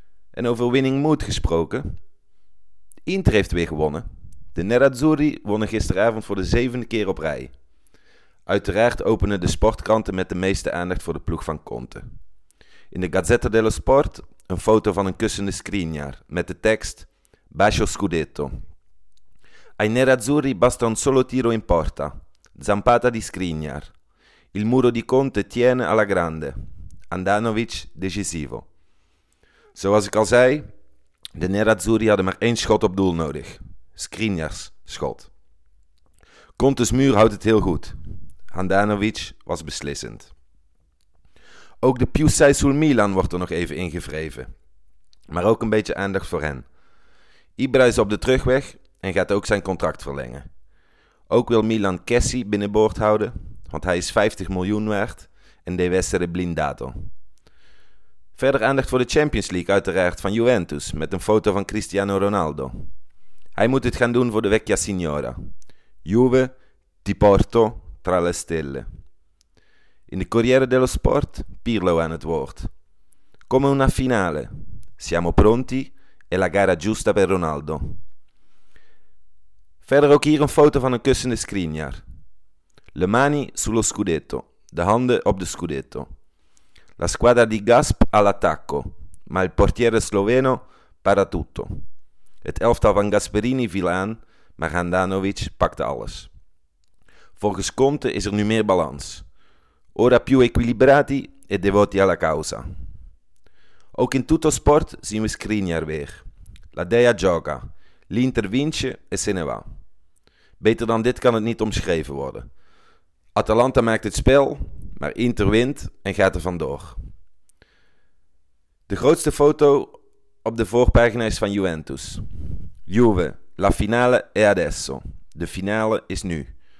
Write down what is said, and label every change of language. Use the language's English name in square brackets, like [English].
[Dutch] En over winning mood gesproken. Inter heeft weer gewonnen. De Nerazzurri wonnen gisteravond voor de 7e keer op rij. Uiteraard openen de sportkranten met de meeste aandacht voor de ploeg van Conte. In de Gazzetta dello Sport een foto van een kussende Skriniar met de tekst [Italian] Bacio Scudetto. Ai Nerazzurri basta un solo tiro in porta. Zampata di Skriniar. Il muro di Conte tiene alla grande. Andanovic decisivo. [Dutch] Zoals ik al zei, de Nerazzurri hadden maar 1 schot op doel nodig. Skriniars schot. Contes muur houdt het heel goed. Handanovic was beslissend. Ook de [Italian] Più Sei sul Milan [Dutch] wordt er nog even ingewreven. Maar ook een beetje aandacht voor hen. Ibra is op de terugweg en gaat ook zijn contract verlengen. Ook wil Milan Kessi binnenboord houden, want hij is 50 miljoen waard en [Italian] deve essere blindato. [Dutch] Verder aandacht voor de Champions League uiteraard van Juventus met een foto van Cristiano Ronaldo. Hij moet het gaan doen voor de Vecchia Signora. [Italian] Juve, ti porto, tra le stelle. [Dutch] In de Corriere dello Sport, Pirlo aan het woord. [Italian] Come una finale. Siamo pronti e la gara giusta per Ronaldo. [Dutch] Verder ook hier een foto van een kussende Skriniar. [Italian] Le mani sullo scudetto. [Dutch] De handen op de scudetto. [Italian] La squadra di Gasp all'attacco. Ma il portiere sloveno para tutto. [Dutch] Het elftal van Gasperini viel aan, maar Handanovic pakte alles. Volgens Conte is er nu meer balans. [Italian] Ora più equilibrati e devoti alla causa. [Dutch] Ook in tutto sport zien we Skriniar weer. [Italian] La Dea gioca, l'Inter vince e se ne va. [Dutch] Beter dan dit kan het niet omschreven worden. Atalanta maakt het spel, maar Inter wint en gaat er vandoor. De grootste foto op de voorpagina is van Juventus. [Italian] Juve, la finale è adesso. [Dutch] De finale is nu.